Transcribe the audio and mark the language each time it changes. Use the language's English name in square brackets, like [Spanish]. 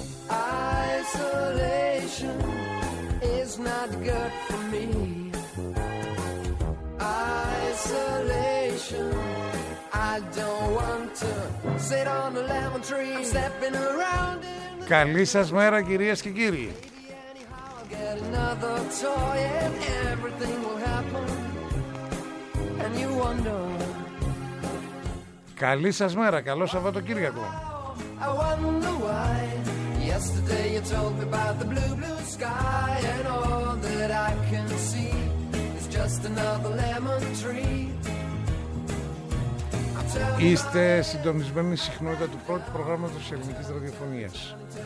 [English] Isolation is not good for me. Isolation, I don't want to sit on a lemon tree. I'm stepping around in the... [Greek] Καλή σας μέρα, κυρίες και κύριοι. [English] Get another toy and everything will happen, and you wonder. [Greek] Καλή σας μέρα, καλό Σαββατοκύριακο. [English] I wonder why. Yesterday you told me about the blue, blue sky. And all that I can see is just another lemon tree. [Greek] Είστε συντονισμένοι συχνότητα του πρώτου προγράμματος της ελληνικής ραδιοφωνίας.